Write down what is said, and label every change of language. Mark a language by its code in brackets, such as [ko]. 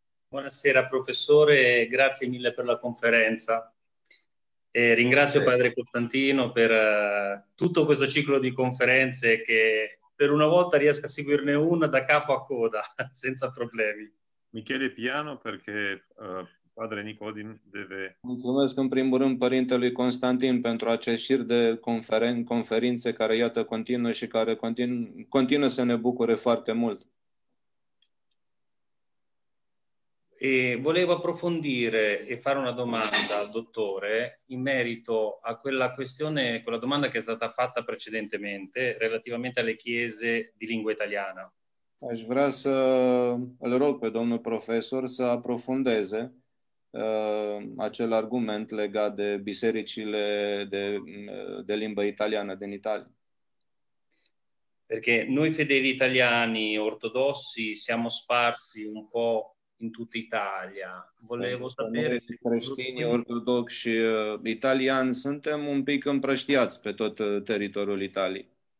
[it] Buonasera professore, grazie mille per la conferenza. E ringrazio padre Costantino per tutto questo ciclo di conferenze che per una volta riesco a seguirne una da capo a coda, senza problemi. Michele, piano perché padre Nicodim deve. [ro] Mulțumesc în primul rând părintelui Constantin pentru acest șir de conferințe care iată continuă și care continuă să ne bucure foarte mult. [it] E volevo approfondire e fare una domanda al dottore in merito a quella questione, quella domanda che è stata fatta precedentemente relativamente alle chiese di lingua italiana. [ro] Aș vrea să îl rog pe domnul profesor să aprofundeze acel argument legat de bisericile de limbă italiană din Italia. [it] Perché noi fedeli italiani ortodossi siamo sparsi un po' in tutta Italia. Volevo [ro] Noi [it] sapere [ro] creștini ortodoxi italiani suntem un pic împrăștiați pe tot teritoriul Italiei.